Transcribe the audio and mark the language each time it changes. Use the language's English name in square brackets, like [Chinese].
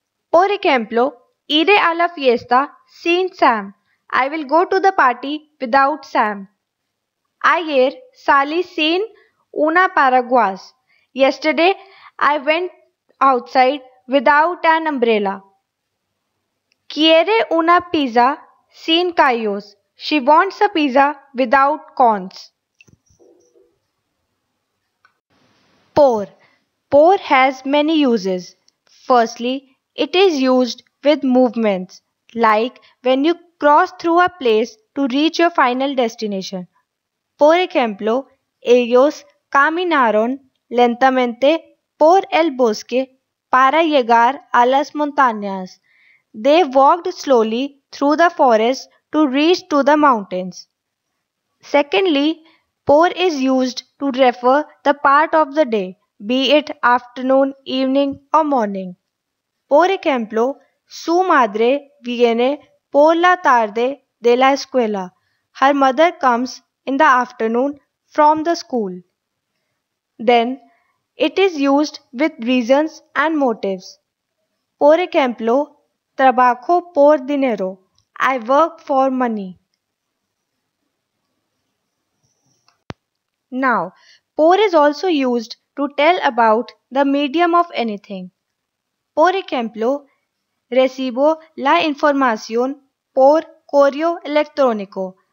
[Spanish] Por ejemplo, iré a la fiesta sin Sam. [English] I will go to the party without Sam. [Spanish] Ayer salí sin una paraguas. [English] Yesterday, I went outside without an umbrella. [Spanish] Quiere una pizza sin callos. [English] She wants a pizza without cones. Por. Por has many uses. Firstly, it is used with movements, like when you cross through a place to reach your final destination. [Spanish] Por ejemplo, ellos caminaron lentamente por el bosque para llegar a las montañas. [English] They walked slowly through the forest to reach to the mountains. Secondly, por is used to refer the part of the day, be it afternoon, evening or morning. [Spanish] Por ejemplo, su madre viene por la tarde de la escuela. [English] Her mother comes in the afternoon from the school. Then, it is used with reasons and motives. [Spanish] Por ejemplo, trabajo por dinero. [English] I work for money. Now, por is also used to tell about the medium of anything. [Spanish] Por ejemplo, recibo la información por correo electrónico.